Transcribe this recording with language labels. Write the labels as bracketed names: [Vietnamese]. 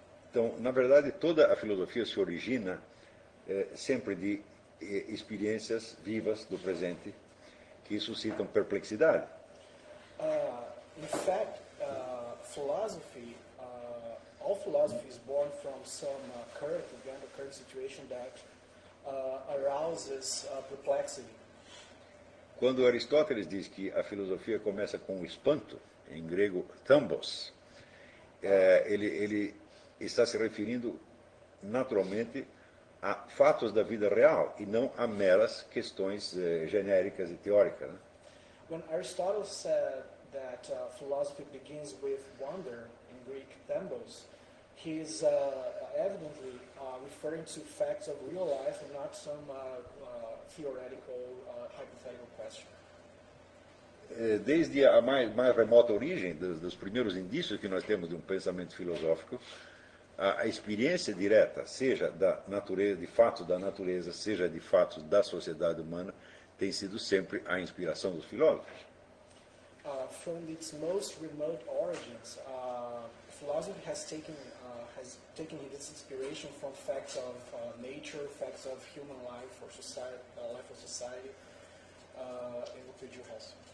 [Portuguese] Então, na verdade, toda a filosofia se origina sempre de experiências vivas do presente que suscitam perplexidade. [English] In fact, philosophy. All philosophy is born from some current event, current situation that arouses perplexity. [Portuguese] Quando Aristóteles diz que a filosofia começa com o espanto, em grego, thambos, ele está se referindo naturalmente a fatos da vida real e não a meras questões genéricas e teóricas, né? [English] When Aristotle said that philosophy begins with wonder in Greek, thambos, he's evidently referring to facts of real life and not some theoretical, hypothetical question. [Portuguese] Desde a mais remota origem, dos primeiros indícios que nós temos de um pensamento filosófico, a experiência direta, seja da natureza, de fato da natureza, seja de fato da sociedade humana, tem sido sempre a inspiração dos filósofos. [English] From its most remote origins, philosophy has taken its inspiration from facts of nature, facts of human life or society, life of society, individual health.